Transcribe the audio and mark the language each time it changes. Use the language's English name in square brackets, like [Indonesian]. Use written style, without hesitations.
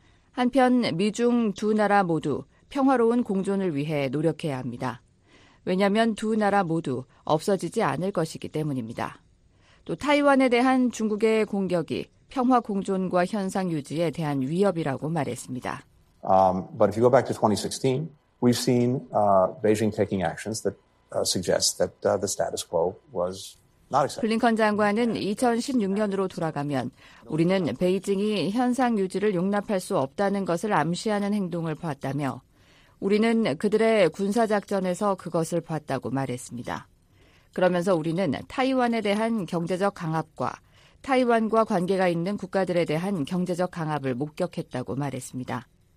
[Korean] 한편 미중 두 나라 모두 평화로운 공존을 위해 노력해야 합니다. 왜냐하면 두 나라 모두 없어지지 않을 것이기 때문입니다. 또 타이완에 대한 중국의 공격이 평화 공존과 현상 유지에 대한 위협이라고 말했습니다. [English] But if you go back to 2016, we've seen Beijing taking actions that suggest that the status quo was not acceptable. [Korean] 블링컨 장관은 2016년으로 돌아가면 우리는 베이징이 현상 유지를 용납할 수 없다는 것을 암시하는 행동을 보았다며 우리는 그들의 군사작전에서 그것을 봤다고 말했습니다. 그러면서 우리는 타이완에 대한 경제적 강압과 타이완과 관계가 있는 국가들에 대한 경제적 강압을 목격했다고 말했습니다.